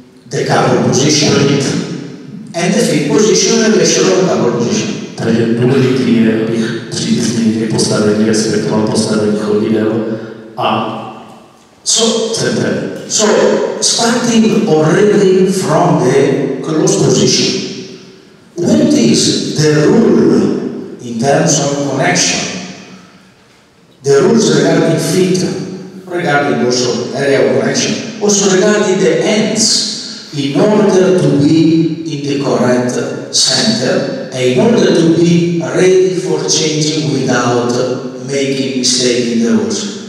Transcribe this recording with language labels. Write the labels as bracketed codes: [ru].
[en] The couple position and the feet position in relation to the couple position. [cs] Takže důležitý je, abych při změně postavení respektoval postavení chodidel a centrem. [en] So, starting already from the close position, what is the rule in terms of connection? The rules regarding feet, regarding also area of connection, also regarding the ends, in order to be in the correct center, and in order to be ready for changing without making mistakes in the rules.